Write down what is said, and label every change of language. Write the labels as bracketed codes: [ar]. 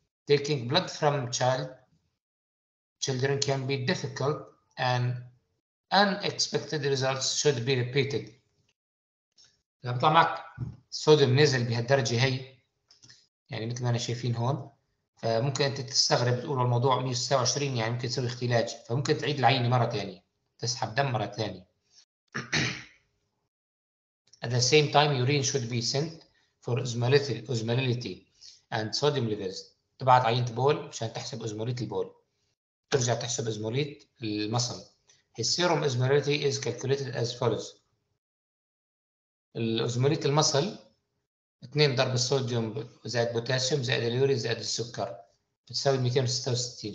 [en] Taking blood from children can be difficult and unexpected results should be repeated. [ar] لما طلع معك الصوديوم نزل بهالدرجة هي يعني مثل ما أنا شايفين هون، فممكن أنت تستغرب تقول الموضوع 126 يعني ممكن تسوي اختلاج، فممكن تعيد العينة مرة تانية تسحب دم مرة تانية. [en] At the same time urine should be sent for osmolality and sodium levels. [ar] تبعت عينة بول مشان تحسب أزموليت البول، ترجع تحسب أزموليت المصل. [en] His serum osmolality is calculated as follows. [ar] الأزموليت المصل 2 ضرب الصوديوم زائد بوتاسيوم زائد اليوري زائد السكر بتساوي 266.